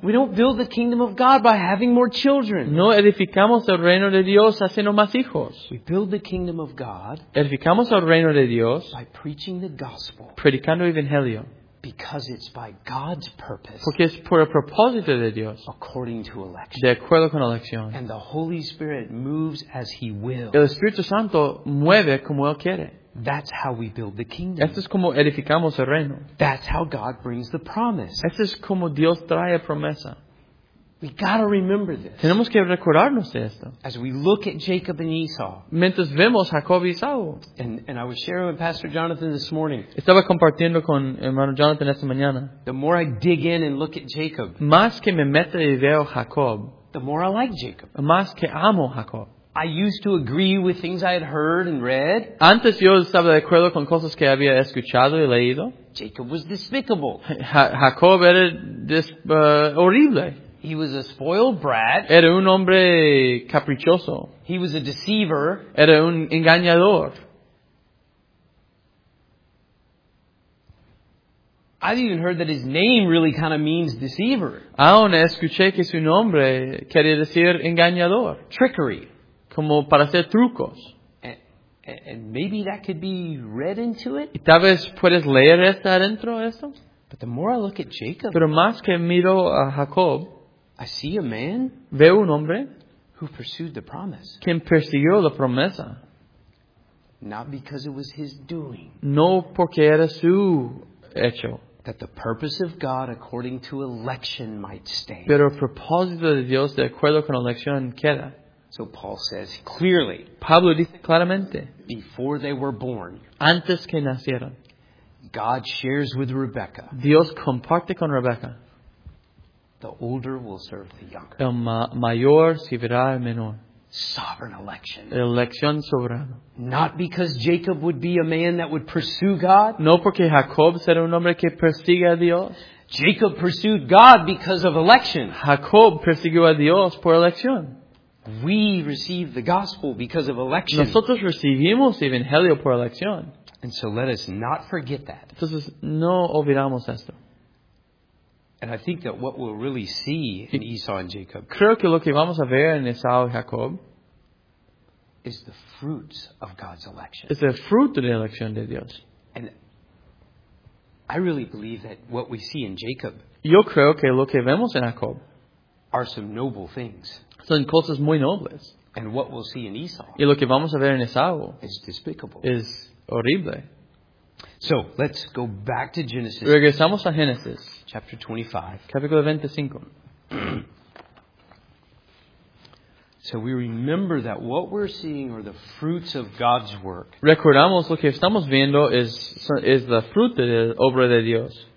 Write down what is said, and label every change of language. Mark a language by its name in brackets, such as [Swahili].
[English] We don't build the kingdom of God by having more children. [Spanish] No edificamos el reino de Dios haciendo más hijos. [English] We build the kingdom of God. [Spanish] Edificamos el reino de Dios. [English] By preaching the gospel. [Spanish] Predicando el evangelio. [English] Because it's by God's purpose. [Spanish] Porque es por el propósito de Dios. [English] According to election. [Spanish] De acuerdo con elección. [English] And the Holy Spirit moves as He will. [Spanish] El Espíritu Santo mueve como Él quiere. [English] That's how we build the kingdom. [Spanish] Esto es como edificamos el reino. [English] That's how God brings the promise. [Spanish] Esto es como Dios trae la promesa. [English] We gotta remember this. [Spanish] Tenemos que recordarnos de esto. [English] As we look at Jacob and Esau. [Spanish] Mientras vemos Jacob y Esau. [English] And I was sharing with Pastor Jonathan this morning. [Spanish] Estaba compartiendo con hermano Jonathan esta mañana. [English] The more I dig in and look at Jacob. [Spanish] Más que me meto y veo Jacob. [English] The more I like Jacob. [Spanish] Más que amo Jacob. [English] I used to agree with things I had heard and read. [Spanish] Antes yo estaba de acuerdo con cosas que había escuchado y leído. [English] Jacob was despicable. [Spanish] Jacob era horrible. [English] He was a spoiled brat. [Spanish] Era un hombre caprichoso. [English] He was a deceiver. [Spanish] Era un engañador. [English] I've even heard that his name really kind of means deceiver. [Spanish] Aún escuché que su nombre quería decir engañador. [English] Trickery. [Spanish] Como para hacer trucos. [English] And maybe that could be read into it. [Spanish] ¿Y tal vez puedes leer esto adentro esto? [English] But the more I look at Jacob. [Spanish] Pero más que miro a Jacob. [English] I see a man. [Spanish] Veo un hombre. [English] Who pursued the promise. [Spanish] Quien persiguió la promesa. [English] Not because it was his doing. [Spanish] No porque era su hecho. [English] That the purpose of God according to election might stand. [Spanish] Pero el propósito de Dios de acuerdo con la elección queda. [English] So Paul says clearly. [Spanish] Pablo dice claramente. [English] Before they were born. [Spanish] Antes que nacieron. [English] God shares with Rebecca. [Spanish] Dios comparte con Rebecca. [English] The older will serve the younger. [Spanish] El mayor servirá al menor. [English] Sovereign election. [Spanish] Elección soberana. [English] Not because Jacob would be a man that would pursue God. [Spanish] No porque Jacob será un hombre que persiga a Dios. [English] Jacob pursued God because of election. [Spanish] Jacob persiguió a Dios por elección. [English] We receive the gospel because of election. [Spanish] Nosotros recibimos el evangelio por elección. [English] And so let us not forget that. [Spanish] Entonces, no olvidamos esto. [English] And I think that what we'll really see in Esau and Jacob. [Spanish] Creo que lo que vamos a ver en Esau y Jacob. [English] is the fruit of God's election. [Spanish] Es el fruto de la elección de Dios. [English] And I really believe that what we see in Jacob, [Spanish] yo creo que lo que vemos en Jacob, [English] are some noble things. [Spanish] Son cosas muy nobles. [English] And what we'll see in Esau, [Spanish] y lo que vamos a ver en Esau, [English] is despicable. [Spanish] Es horrible. [English] So let's go back to Genesis. [Spanish] Regresamos a Génesis, [English] chapter 25. [Spanish] Capítulo 25. [English] So we remember that what we're seeing are the fruits of God's work. [Spanish] Recordamos lo que estamos viendo es la fruta de la obra de Dios.